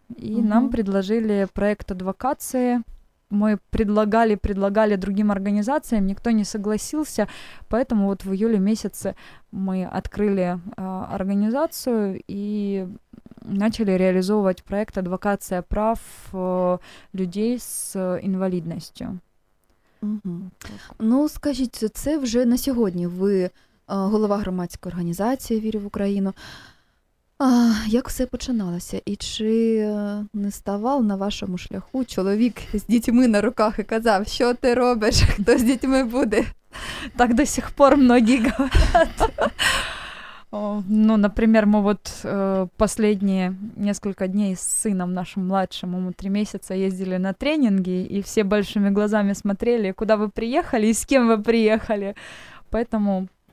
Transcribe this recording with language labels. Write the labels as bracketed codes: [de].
[ru] И нам предложили проект адвокации. Мы предлагали другим организациям, никто не согласился, поэтому вот в июле месяце мы открыли организацию и начали реализовывать проект «Адвокация прав людей с инвалидностью». Угу. [uk] Ну, скажите, це вже на сьогодні. Ви голова громадської організації «Вірю в Україну». Як все починалося? І чи не ставав на вашому шляху чоловік з дітьми на руках і казав, що ти робиш, хто з дітьми буде? [ru] Так до сих пор многі говорять. Ну, например, мы вот последние несколько дней с сыном нашим младшим, ему 3 месяца, ездили на тренинги, и все большими глазами смотрели, куда вы приехали и с кем вы приехали. Поэтому